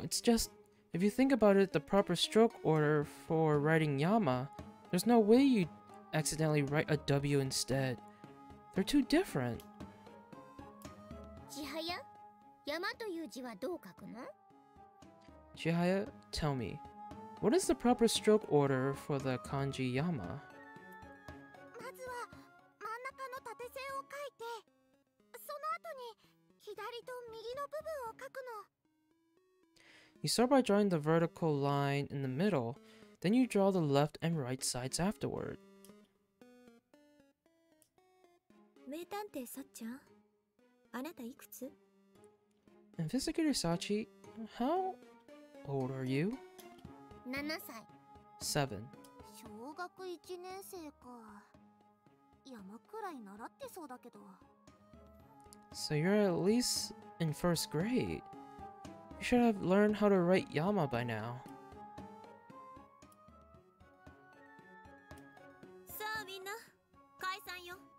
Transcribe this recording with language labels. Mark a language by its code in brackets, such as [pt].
[en] No, it's just, if you think about it, the proper stroke order for writing Yama, there's no way you'd accidentally write a W instead. They're too different. [ja] Chihaya, 山という字はどう書くの? [en] Chihaya, tell me, what is the proper stroke order for the kanji yama? [ja] まずは真ん中の縦線を書いて、その後に左と右の部分を書くの。 [en] You start by drawing the vertical line in the middle, then you draw the left and right sides afterward. [ja] 名探偵さっちゃん、あなたいくつ? [en] Investigator Sachi, how... How old are you? [ja] 7歳 [en] 7 [ja] 小学1年生か山くらい習ってそうだけど [en] So you're at least in first grade You should have learned how to write Yama by now [ja] さあみんな解散よ